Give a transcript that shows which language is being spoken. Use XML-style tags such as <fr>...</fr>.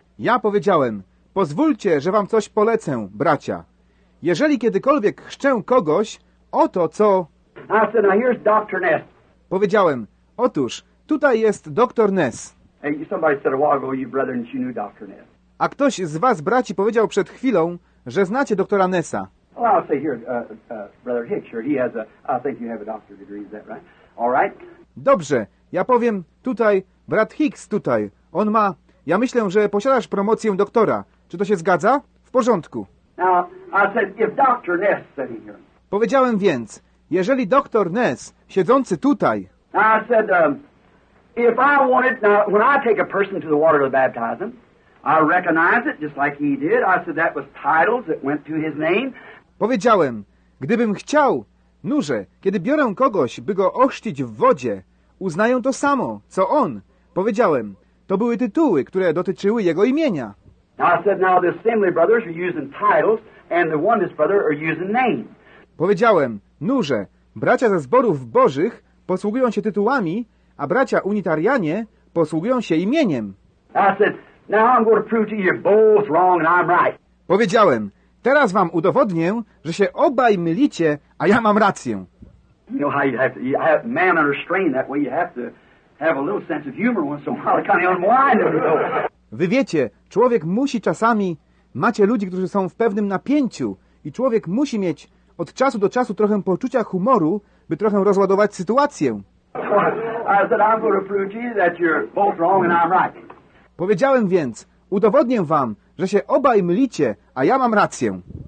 <pl>Ja powiedziałem, pozwólcie, że wam coś polecę, bracia. Jeżeli kiedykolwiek chrzczę kogoś, oto co...</pl> <en>Now, so now here's Dr. Ness.</en> <pl>Powiedziałem, otóż, tutaj jest Dr. Ness.</pl> <en>Hey, somebody said a while ago, you brother, and you knew Dr. Ness.</en> <pl>A ktoś z was, braci, powiedział przed chwilą, że znacie doktora Nessa.</pl> <en>Well, I'll say here, Brother Hicks, sure, he has a, I think you have a doctor's degree, is that right? All right.</en> <pl>Dobrze, ja powiem tutaj, brat Hicks tutaj, on ma, ja myślę, że posiadasz promocję doktora. Czy to się zgadza? W porządku.</pl> <en>Now, I said, if Dr. Ness sitting here.</en> <pl>Powiedziałem więc, jeżeli doktor Ness, siedzący tutaj.</pl> <en>I said, if I wanted, now, when I take a person to the water to baptize them, I recognize it, just like he did. I said that was titles that went to his name.</en> <pl>Powiedziałem, gdybym chciał, nurze, kiedy biorę kogoś, by go ochrzcić w wodzie, uznają to samo, co on. Powiedziałem, to były tytuły, które dotyczyły jego imienia.</pl> <en>I said now the Assembly brothers are using titles and the Oneness brother are using names.</en> <pl>Powiedziałem, nurze, bracia ze zborów bożych posługują się tytułami, a bracia unitarianie posługują się imieniem.</pl> <en>I said, now I'm going to prove to you you're both wrong and I'm right.</en> <pl>Powiedziałem, teraz wam udowodnię, że się obaj mylicie, a ja mam rację.</pl> <en>You know how you have man under strain that way, you have to have a little sense of humor once in a while, kind of unwind a little.</en> <pl>Wy wiecie, człowiek musi czasami, macie ludzi, którzy są w pewnym napięciu i człowiek musi mieć od czasu do czasu trochę poczucia humoru, by trochę rozładować sytuację.</pl> <en>I said, I'm going to prove to you that you're both wrong and I'm right.</en> <pl>Powiedziałem więc, udowodnię wam, że się obaj mylicie, a ja mam rację.</pl>